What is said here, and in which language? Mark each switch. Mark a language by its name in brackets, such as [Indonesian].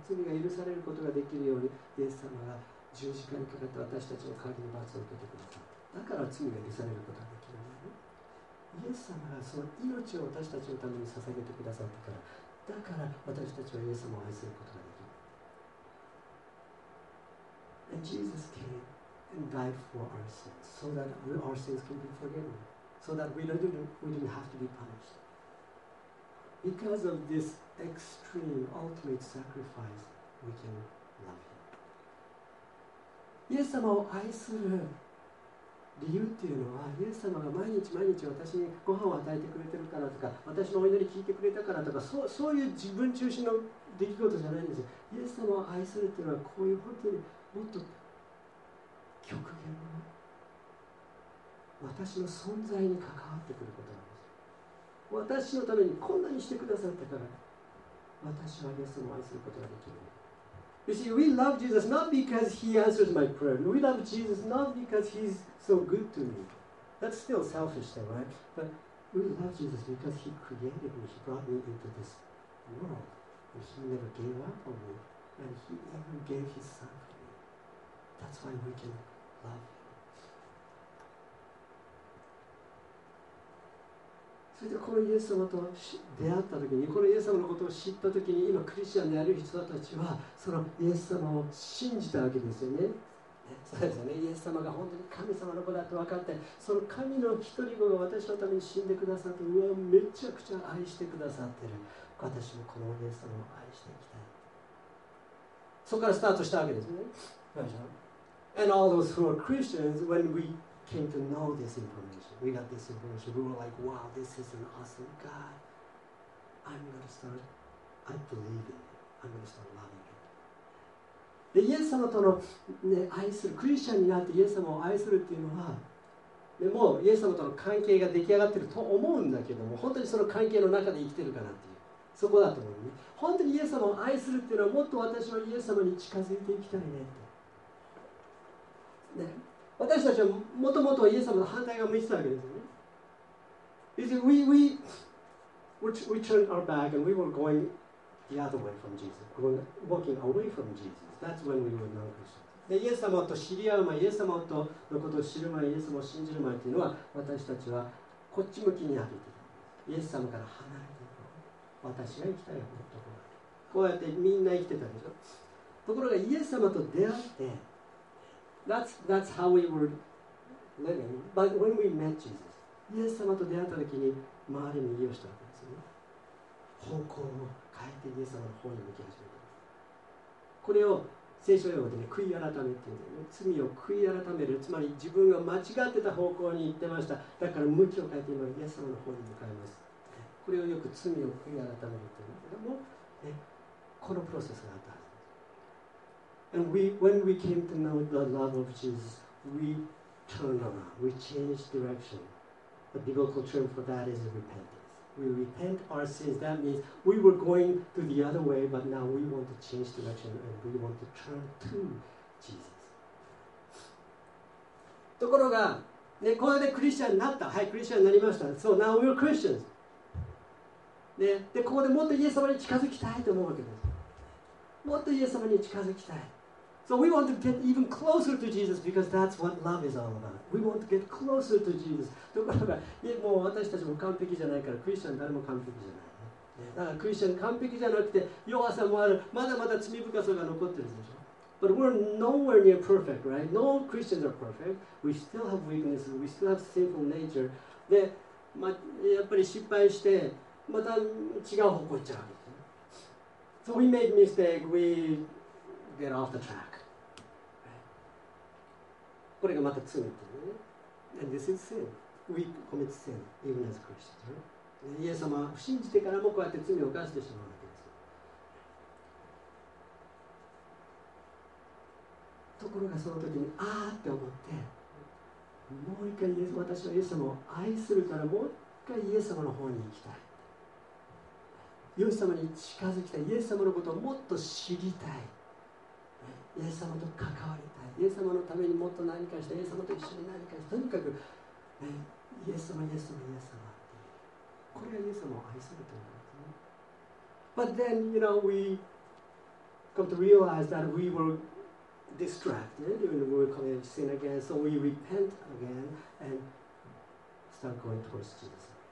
[Japanese] 罪が許されることができるように、イエス様が十字架にかかって私たちの代わりに罰を受けてください。だから罪が許されることができるんだよね。イエス様がその命を私たちのために捧げてくださったから、だから私たちはイエス様を愛することができる。 [English] And Jesus came and died for our sins, so that our sins can be forgiven, so that we didn't have to be punished. Because of this extreme, ultimate sacrifice, we can love Him. [Japanese] イエス様を愛する理由っていうのは、イエス様が毎日毎日私にご飯を与えてくれてるからとか、私のお祈り聞いてくれたからとか、そういう自分中心の出来事じゃないんですよ。イエス様を愛するっていうのは、こういう本当にもっと極限の私の存在に関わってくることなんですよ。私のためにこんなにしてくださったから、私はイエス様を愛することができる。 [English] You see, we love Jesus not because he answers my prayer. We love Jesus not because he's so good to me. That's still selfish though, right? But we love Jesus because he created me. He brought me into this world. And he never gave up on me. And he never gave his son for me. That's why we can love him. [Japanese] そしてこのイエス様と出会った時に、このイエス様のことを知った時に、今クリスチャンである人たちはそのイエス様を信じたわけですよね。そうですよね。イエス様が本当に神様の子だと分かって、その神の一人子が私のために死んでくださって、うわ、めちゃくちゃ愛してくださってる、私もこのイエス様を愛していきたい、そこからスタートしたわけですね。 [English] And all those who are Christians, when weCame to know this information. We got this information. We were like, wow, this is an awesome God. I'm going to start, I believe in him. I'm going to start loving him. [Japanese] で、イエス様との、ね、愛する、クリスチャンになってイエス様を愛するっていうのは、でもイエス様との関係が出来上がってると思うんだけども、本当にその関係の中で生きてるかなっていう、そこだと思うね。本当にイエス様を愛するっていうのは、もっと私はイエス様に近づいていきたいねって。ね。私たちはもともとイエス様の反対側を向いてたわけですよね。 [English] We turned our back and we were going the other way from Jesus. We were walking away from Jesus. That's when we were non-Christian. [Japanese] イエス様と知り合う前、イエス様とのことを知る前、イエス様を信じる前というのは、私たちはこっち向きに歩いていた。イエス様から離れていこう。私が行きたいこのところ。こうやってみんな生きてたでしょ。ところがイエス様と出会って、 [English] That's how we were living. But when we met Jesus, [Japanese] イエス様と出会った時に周りに右をしたわけですよね。方向を変えてイエス様の方に向き始めた。これを聖書用語で、ね、悔い改めって言うんだよね。罪を悔い改める。つまり自分が間違ってた方向に行ってました。だから向きを変えて今イエス様の方に向かいます。これをよく罪を悔い改めるって言うんだけども、ね、このプロセスがあった。 [English] And we, when we came to know the love of Jesus, we turned around, we changed direction. The biblical term for that is repentance. We repent our sins. That means we were going to the other way, but now we want to change direction and we want to turn to Jesus. [Japanese] ところが、ね、これでクリスチャンになった。はい、クリスチャンになりました。 [English] So now we are Christians.、 [Japanese] ね、で、ここでもっとイエス様に近づきたいと思うわけです。もっとイエス様に近づきたい。 [English] So we want to get even closer to Jesus because that's what love is all about. We want to get closer to Jesus. [Japanese] ところが、もう私たちも完璧じゃないから、クリスチャン誰も完璧じゃない。だからクリスチャン完璧じゃなくて、弱さもある、まだまだ罪深さが残ってるでしょ。 [English] But we're nowhere near perfect, right? No Christians are perfect. We still have weaknesses. We still have sinful nature. [Japanese] で、まあ、やっぱり失敗して、また違う方向行っちゃう。 [English] So we make mistake, we get off the track. [Japanese] これがまた罪ってね。 [English] And this is sin. We commit sin, even as Christians.、Right? [Japanese] イエス様は信じてからもこうやって罪を犯してしまう。ところがその時にああって思ってもう一回イエス私はイエス様を愛するからもう一回イエス様の方に行きたい、イエス様に近づきたい、イエス様のことをもっと知りたい、イエス様と関わりたい、イエス様のためにもっと何かして、イエス様と一緒に何かして、とにかく、イエス様イエス様イエス様、これがイエス様を愛するということですね。 [English] But then you know we come to realize that we wereDistracted, when we were committing sin again, so we repent again and start going towards Jesus.